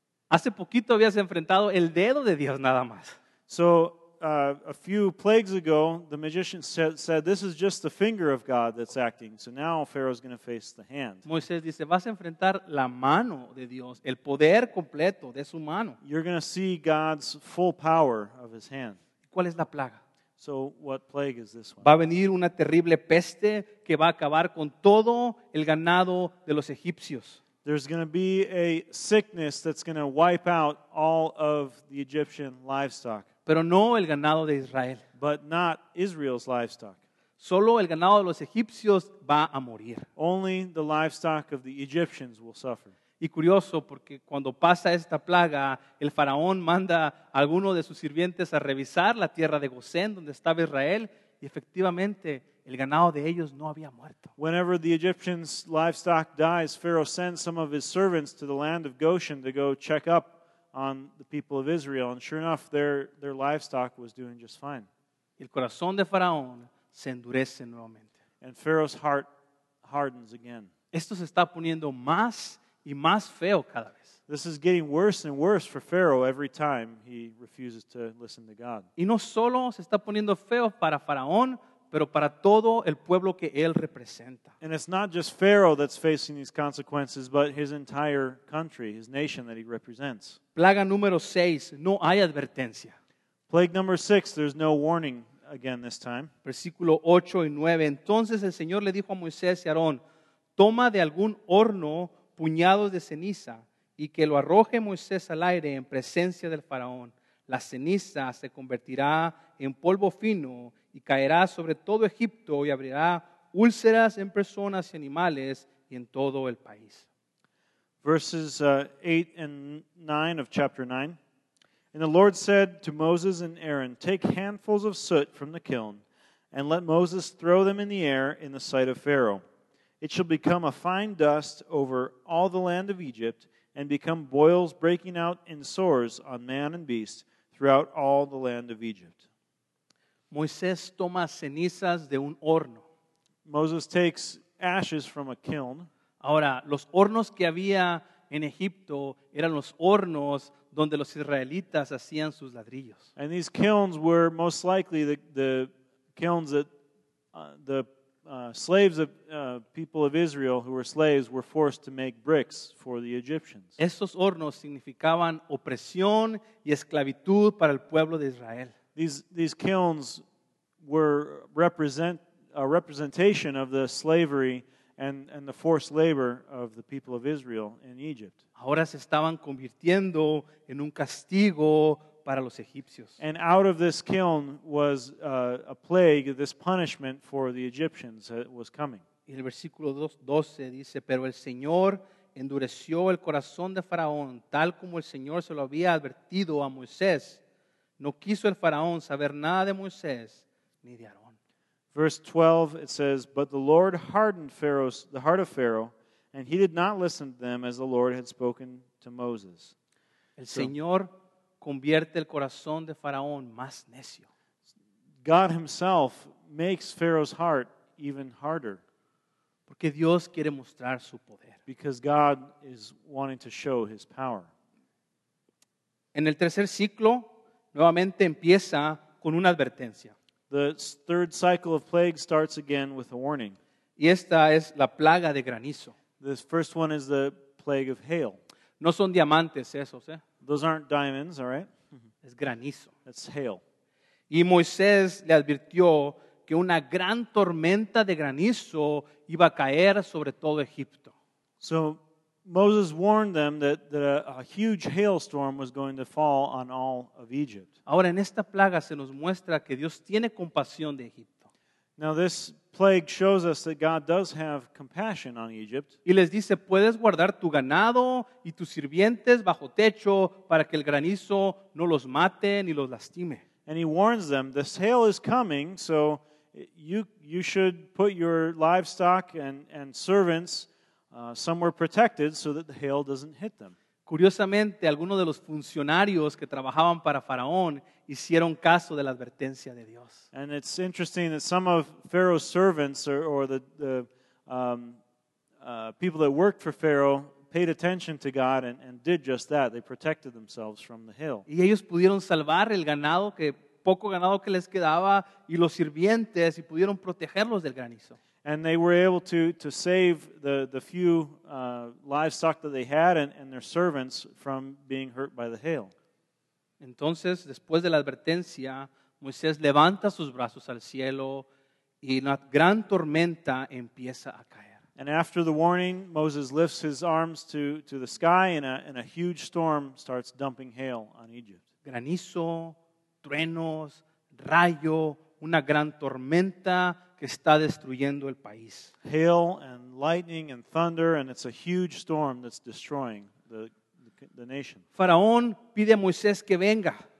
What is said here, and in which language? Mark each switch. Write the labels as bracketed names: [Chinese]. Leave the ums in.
[Spanish] Hace poquito habías enfrentado el dedo de Dios nada más. [English] So, uh, a few plagues ago, the magician said, said, this is just the finger of God that's acting. So now Pharaoh is going to face the hand. [Spanish] Moisés dice, vas a enfrentar la mano de Dios, el poder completo de su mano. [English] You're going to see God's full power of his hand. [Spanish] ¿Cuál es la plaga? [English] So what plague is this one? [Spanish] Va a venir una terrible peste que va a acabar con todo el ganado de los egipcios. [English] There's going to be a sickness that's going to wipe out all of the Egyptian livestock. No but not Israel's livestock. Only the livestock of the Egyptians will suffer. [Spanish] Y curioso, porque cuando pasa esta plaga, el faraón manda a alguno de sus sirvientes a revisar la tierra de Gosén, donde estaba Israel, y efectivamente el ganado de ellos no había muerto. [English] Whenever the Egyptians' livestock dies, Pharaoh sends some of his servants to the land of Goshen to go check up on the people of Israel, and sure enough, their, their livestock was doing just fine. [Spanish] El corazón de faraón se endurece nuevamente. [English] And Pharaoh's heart hardens again. [Spanish] Esto se está poniendo más [English] This is getting worse and worse for Pharaoh every time he refuses to listen to God. [Spanish] Y no solo se está poniendo feo para Faraón, pero para todo el pueblo que él representa. [English] And it's not just Pharaoh that's facing these consequences, but his entire country, his nation that he represents. [Spanish] Plaga número 6, no hay advertencia. [English] Plague number 6, there's no warning again this time. [Spanish] Versículo 8 y 9, entonces el Señor le dijo a Moisés y Aarón, toma de algún horno puñados de ceniza y que lo arroje Moisés al aire en presencia del faraón. La ceniza se convertirá en polvo fino y caerá sobre todo Egipto y abrirá úlceras en personas y animales y en todo el país. [English] Verses 8 y 9 of chapter 9. And the Lord said to Moses and Aaron, Take handfuls of soot from the kiln and let Moses throw them in the air in the sight of Pharaoh. It shall become a fine dust over all the land of Egypt, and become boils breaking out in sores on man and beast throughout all the land of Egypt. [Spanish] Moisés toma cenizas de un horno. [English] Moses takes ashes from a kiln. [Spanish] Ahora, los hornos que [English] had in Egypt were the hornos where the Israelites made their bricks. And these kilns were most likely the, the kilns that uh, the uh, slaves of uh, people of Israel who were slaves were forced to make bricks for the Egyptians. [Spanish] Estos hornos significaban opresión y esclavitud para el pueblo de Israel. [English] These, these kilns were represent, a representation of the slavery and, and the forced labor of the people of Israel in Egypt. [Spanish] Ahora se estaban convirtiendo en un castigo [English] and out of this kiln was uh, a plague, this punishment for the Egyptians uh, was coming. [Spanish] Y el versículo 12 dice, pero el Señor endureció el corazón de Faraón, tal como el Señor se lo había advertido a Moisés. No quiso el Faraón saber nada de Moisés ni de Aarón. [English] Verse 12 it says, but the Lord hardened Pharaoh's the heart of Pharaoh, and he did not listen to them as the Lord had spoken to Moses. [Spanish] El so, Señor convierte el corazón de Faraón más necio. [English] God himself makes Pharaoh's heart even harder. [Spanish] Porque Dios quiere mostrar su poder. [English] Because God is wanting to show his power. [Spanish] En el tercer ciclo, nuevamente empieza con una advertencia. [English] The third cycle of plague starts again with a warning. [Spanish] Y esta es la plaga de granizo. [English] This first one is the plague of hail. [Spanish] No son diamantes esos, eh? [English] Those aren't diamonds, all right? It's granizo. It's hail. [Spanish] Y Moisés le advirtió que una gran tormenta de granizo iba a caer sobre todo Egipto. [English] So Moses warned them that, that a, a huge hailstorm was going to fall on all of Egypt. Now, in [Spanish] esta plaga se nos muestra que Dios tiene compasión de Egipto. [English] Now, plague shows us that God does have compassion on Egypt. [Spanish] Y les dice, puedes guardar tu ganado y tus sirvientes bajo techo para que el granizo no los mate ni los lastime? [English] And he warns them, the hail is coming, so you, you should put your livestock and, and servants somewhere protected so that the hail doesn't hit them. [Spanish] Curiosamente, algunos de los funcionarios que trabajaban para Faraón [English] and it's interesting that some of Pharaoh's servants or, or the, the um, uh, people that worked for Pharaoh paid attention to God and, and did just that. They protected themselves from the hail. [Spanish] Ganado, que quedaba, [English] and they were able to, to save the, the few uh, livestock that they had and, and their servants from being hurt by the hail. [Spanish] Entonces, después de la advertencia, Moisés levanta sus brazos al cielo y una gran tormenta empieza a caer. [English] And after the warning, Moses lifts his arms to, to the sky and a, and a huge storm starts dumping hail on Egypt. [Spanish] Granizo, truenos, rayo, una gran tormenta que está destruyendo el país. [English] Hail and lightning and thunder and it's a huge storm that's destroying the [Spanish] Faraón pide a Moisés que venga.